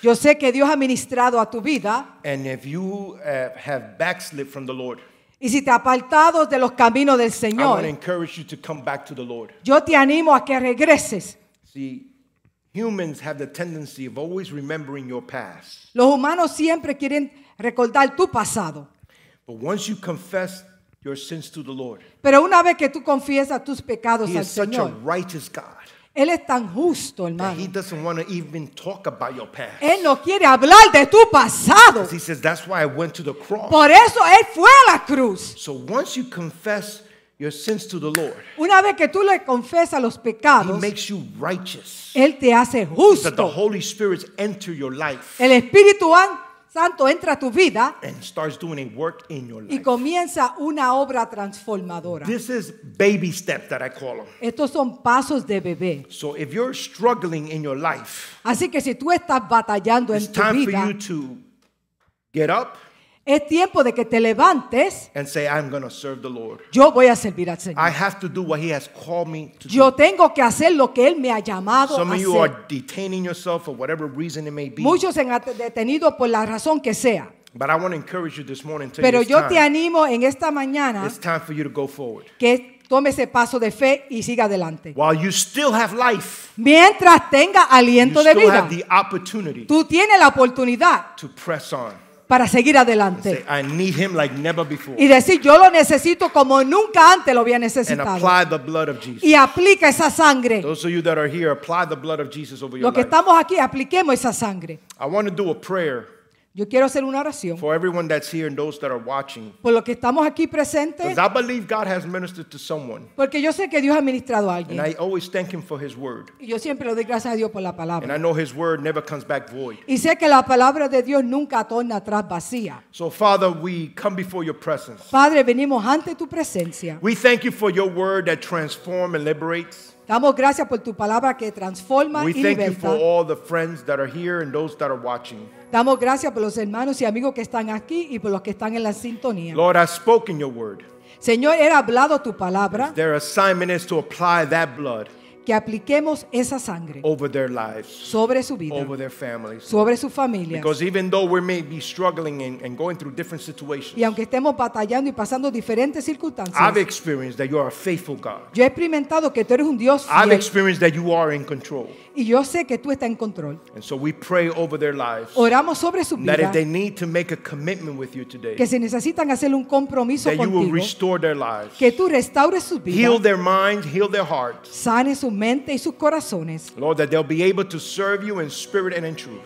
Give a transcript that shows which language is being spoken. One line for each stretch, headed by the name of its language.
Spanish: Yo sé que Dios ha ministrado a tu vida.
English: And if you have backslid from the Lord,
Spanish: y si te ha apartado de los caminos del Señor,
English: I want to encourage you to come back to the Lord.
Spanish: Yo te animo a que regreses.
English: See, humans have the tendency of always remembering your past.
Spanish: Los humanos siempre quieren recordar tu pasado.
English: But once you confess your sins to the Lord,
Spanish: pero una vez que tú confiesas tus pecados al Señor,
English: He is such a righteous God.
Spanish: Él es tan justo, hermano.
English: That He doesn't want to even talk about your past.
Spanish: Él no quiere hablar de tu pasado.
English: He says, that's why I went to the cross.
Spanish: Por eso él fue a la cruz.
English: So once you confess your sins to the Lord,
Spanish: una vez que tú le confesas los pecados,
English: He makes you righteous.
Spanish: Él te hace justo.
English: That the Holy Spirit enters your life.
Spanish: El Espíritu Santo entra a tu vida.
English: And starts doing a work in your life.
Spanish: Y comienza una obra transformadora.
English: This is baby steps that I call them.
Spanish: Estos son pasos de bebé.
English: So if you're struggling in your life,
Spanish: así que si tú estás batallando en tu vida,
English: it's time for you to get up.
Spanish: Es tiempo de que te levantes.
English: And say, I'm going to serve the Lord.
Spanish: Yo voy a servir al Señor.
English: I have to do what He has called me to
Spanish: yo
English: do.
Spanish: Yo tengo que hacer lo que Él me ha llamado
English: Some
Spanish: a hacer.
English: Some of you are detaining yourself for whatever reason it may be.
Spanish: Muchos se han detenido por la razón que sea.
English: But I want to encourage you this morning to
Spanish: pero
English: take
Spanish: yo
English: this time.
Spanish: Te animo en esta mañana.
English: It's time for you to go forward.
Spanish: Que tome ese paso de fe y siga adelante.
English: While you still have life,
Spanish: mientras tenga aliento de vida,
English: you still have the opportunity,
Spanish: tú tienes la oportunidad,
English: to press on.
Spanish: para seguir adelante.
English: And say, I need him like never before.
Spanish: Y decir, yo lo necesito como nunca antes lo había necesitado.
English: And apply the blood of Jesus.
Spanish: Y aplica esa sangre.
English: Those of you that are here, apply the blood of Jesus over your
Spanish: life. Los que estamos aquí, apliquemos esa sangre.
English: I want to do a prayer.
Spanish: Yo quiero hacer una oración.
English: For everyone that's here and those that are watching.
Spanish: Por lo que estamos aquí presentes.
English: Because I believe God has ministered to someone.
Spanish: Porque yo sé que Dios ha ministrado a alguien.
English: And I always thank him for his word.
Spanish: Y yo siempre le doy gracias a Dios por la palabra.
English: And I know his word never comes back void.
Spanish: Y sé que la palabra de Dios nunca torna atrás vacía.
English: So Father, we come before your presence.
Spanish: Padre, venimos ante tu presencia.
English: We thank you for your word that transforms and liberates.
Spanish: Damos gracias por tu palabra que transforma y liberta.
English: We thank you for all the friends that are here and those that are watching.
Spanish: Damos gracias por los hermanos y amigos que están aquí y por los que están en la sintonía.
English: Lord, I've spoken your word.
Spanish: Señor, he hablado tu palabra.
English: Their assignment is to apply that blood.
Spanish: Que apliquemos esa sangre.
English: Over their lives.
Spanish: Sobre su vida.
English: Over their families.
Spanish: Sobre su familia.
English: Because even though we may be struggling and going through different situations.
Spanish: Y aunque estemos batallando y pasando diferentes circunstancias.
English: I've experienced that you are a faithful God.
Spanish: Yo he experimentado que tú eres un Dios fiel.
English: I've experienced that you are in control.
Spanish: Y yo sé que tú estás en control.
English: And so we pray over their lives.
Spanish: Oramos sobre su vida.
English: That if they need to make a commitment with you today.
Spanish: Que si necesitan hacer un compromiso contigo.
English: That you will restore their lives.
Spanish: Que tú restaures su vida.
English: Heal their minds, heal their hearts.
Spanish: Sane su mente y sus corazones.
English: Lord, that they'll be able to serve you in spirit and in truth.